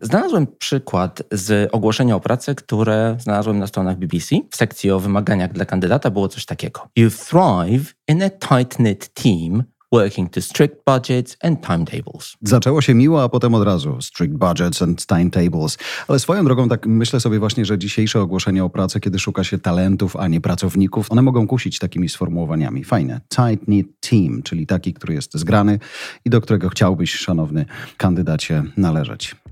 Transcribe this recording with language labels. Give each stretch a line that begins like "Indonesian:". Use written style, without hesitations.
Polish: Znalazłem przykład z ogłoszenia o pracę, które znalazłem na stronach BBC. W sekcji o wymaganiach dla kandydata było coś takiego.
English: You thrive in a tight-knit team working to strict budgets and timetables.
Polish: Zaczęło się miło, a potem od razu strict budgets and timetables. Ale swoją drogą tak myślę sobie właśnie, że dzisiejsze ogłoszenia o pracę, kiedy szuka się talentów, a nie pracowników, one mogą kusić takimi sformułowaniami. Fajne. Tight-knit team, czyli taki, który jest zgrany i do którego chciałbyś, szanowny kandydacie, należeć.